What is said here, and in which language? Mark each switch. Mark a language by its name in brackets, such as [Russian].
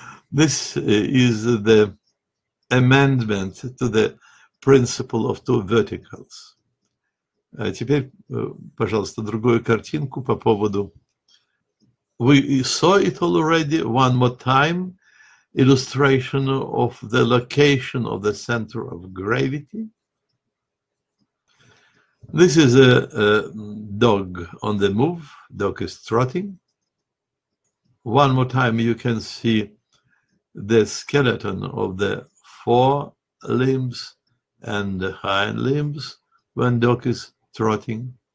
[English] This is the amendment to the principle of two verticals. [Russian] А теперь, пожалуйста, другую картинку по поводу... [English] We saw it already one more time. Illustration of the location of the center of gravity. This is a dog on the move. Dog is trotting. One more time, you can see the skeleton of the four limbs and the hind limbs when dog is trotting.